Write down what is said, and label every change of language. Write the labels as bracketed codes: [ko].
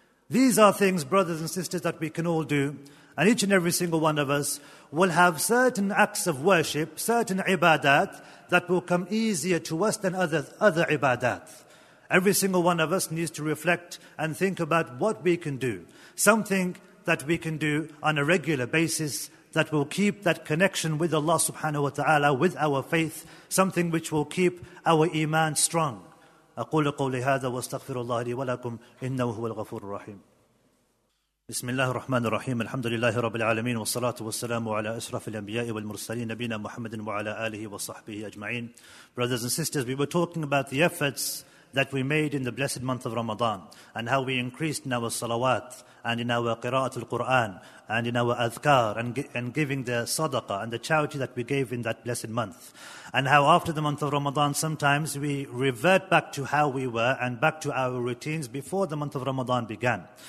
[en] These are things, brothers and sisters, that we can all do, and each and every single one of us will have certain acts of worship, certain ibadat, that will come easier to us than other ibadat. Every single one of us needs to reflect and think about what we can do. Something that we can do on a regular basis that will keep that connection with Allah subhanahu wa ta'ala, with our faith, something which will keep our iman strong. [ar] أقول قولي هذا واستغفر الله لي ولكم إنه هو الغفور الرحيم. بسم الله الرحمن الرحيم الحمد لله رب العالمين والصلاة والسلام على أشرف الأنبياء والمرسلين نبينا محمد وعلى آله وصحبه أجمعين. [en] Brothers and sisters, we were talking about the efforts that we made in the blessed month of Ramadan and how we increased in our salawat and in our qira'at al-Qur'an and in our adhkar and giving the sadaqah and the charity that we gave in that blessed month. And how after the month of Ramadan, sometimes we revert back to how we were and back to our routines before the month of Ramadan began.